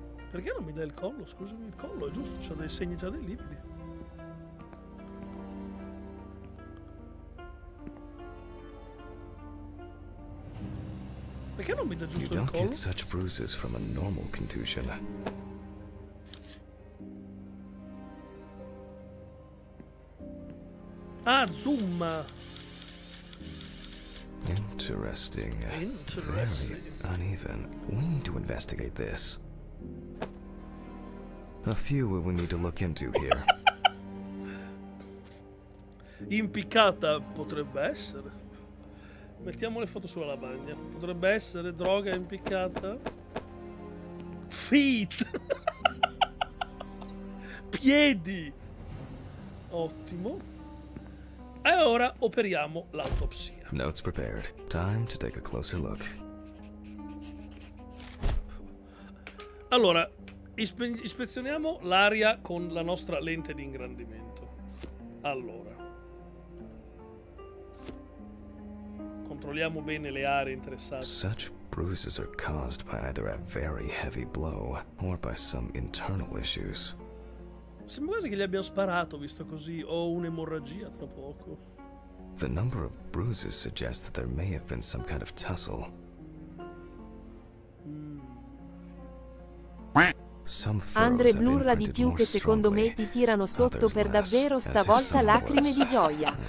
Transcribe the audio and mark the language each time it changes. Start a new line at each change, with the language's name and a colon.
Italian: Perché non mi dai il collo? Scusami, il collo è giusto, c'ha dei segni, c'ha dei lividi. Perché non mi dà giusto il collo?
English: You don't get such bruises from a normal contusion.
Italian: Ah, zoom!
English: Interesting. Very uneven. We need to investigate this. A few we will need to look into here.
Italian: Impiccata potrebbe essere. Mettiamo le foto sulla lavagna. Potrebbe essere droga impiccata. Feet! Piedi! Ottimo. E ora operiamo l'autopsia.
English: Notes prepared. Time to take a closer look.
Italian: Allora, ispezioniamo l'area con la nostra lente di ingrandimento. Allora, controlliamo bene le aree interessate.
English: Such bruises are caused by either a very heavy blow or by some internal issues.
Italian: Sembra quasi che gli abbiano sparato, visto così, o un'emorragia tra poco.
English: The number of bruises suggests that there may have been some kind of tussle.
Italian: Some Andre blurra di più che secondo me ti tirano sotto per davvero stavolta lacrime di gioia.